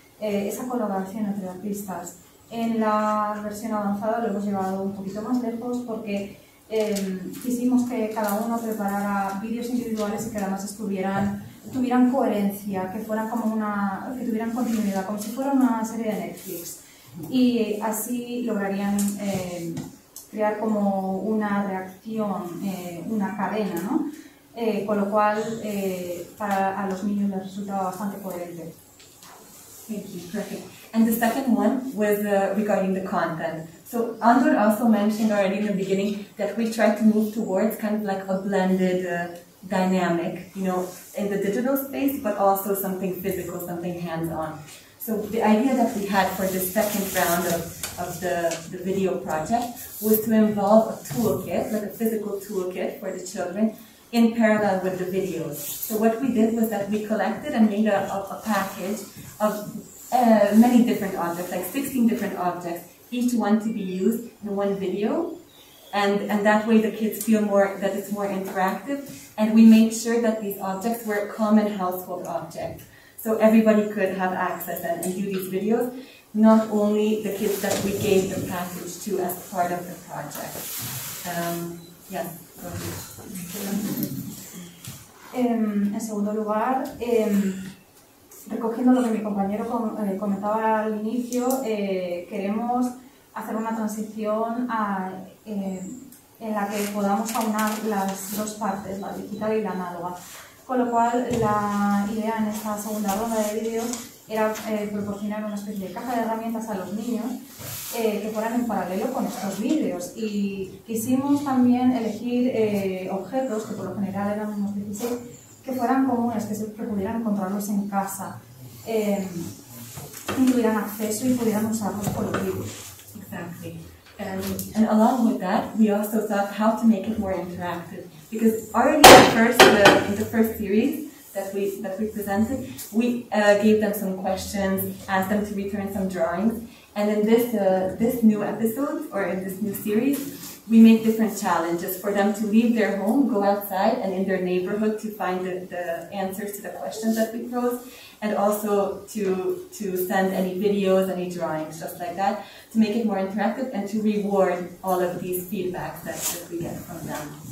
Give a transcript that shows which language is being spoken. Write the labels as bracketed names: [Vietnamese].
[Spanish] Esa colaboración entre artistas. En la versión avanzada lo hemos llevado un poquito más lejos porque quisimos que cada uno preparara vídeos individuales y que además tuvieran coherencia, que fueran como que tuvieran continuidad, como si fuera una serie de Netflix. Y así lograrían crear como una reacción, una cadena, ¿no? Con lo cual a los niños les resultaba bastante coherente. [English] Thank you. Perfect. And the second one was regarding the content. So Andor also mentioned already in the beginning that we tried to move towards kind of like a blended dynamic, you know, in the digital space, but also something physical, something hands-on. So the idea that we had for the second round of the video project was to involve a toolkit, like a physical toolkit for the children, in parallel with the videos. So what we did was that we collected and made a package of many different objects, like 16 different objects, each one to be used in one video, and that way the kids feel more that it's more interactive, and we made sure that these objects were common household objects, so everybody could have access and view these videos, not only the kids that we gave the package to as part of the project. [Spanish] En segundo lugar, recogiendo lo que mi compañero comentaba al inicio, queremos hacer una transición en la que podamos aunar las dos partes, la digital y la análoga. con lo cual la idea en esta segunda ronda de vídeos era proporcionar una especie de caja de herramientas a los niños que fueran en paralelo con estos vídeos. Y quisimos también elegir objetos, que por lo general eran unos 16, que fueran comunes, que pudieran encontrarlos en casa, y tuvieran acceso y pudieran usarlos por los vídeos. [English] Exactly. And along with that, we also thought how to make it more interactive. Because already in the first series that we presented, we gave them some questions, asked them to return some drawings. And in this new episode, or in this new series, we make different challenges for them to leave their home, go outside and in their neighborhood to find the answers to the questions that we pose, and also to send any videos, any drawings, just like that, to make it more interactive and to reward all of these feedbacks that we get from them.